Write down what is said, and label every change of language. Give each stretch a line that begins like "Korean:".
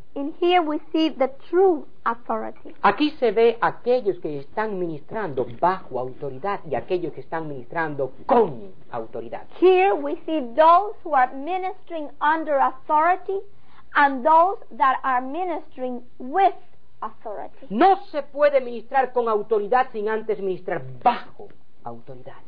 English: In here we see the true authority.
Spanish: Aquí se ve aquellos que están ministrando bajo autoridad y aquellos que están ministrando con autoridad.
English: Here we see those who are ministering under authority and those that are ministering with authority.
Spanish: No se puede ministrar con autoridad sin antes ministrar bajo autoridad.